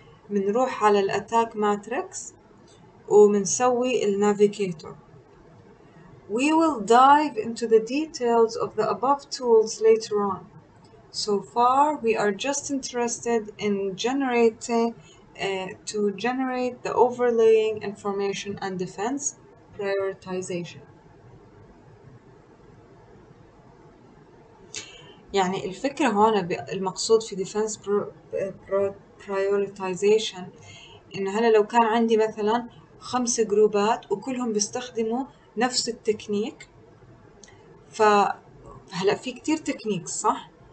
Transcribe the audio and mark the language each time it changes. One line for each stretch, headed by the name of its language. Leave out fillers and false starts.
Arabic: منروح على الاتاك ماتريكس ومنسوي النافيجيتور.
English: We will dive into the details of the above tools later on. So far we are just interested in generate the overlaying information and defense prioritization.
Arabic: يعني الفكرة هون المقصود في defense prioritization إنه هلا لو كان عندي مثلا 5 جروبات وكلهم بيستخدموا نفس التكنيك, فهلا في كتير تكنيك صح؟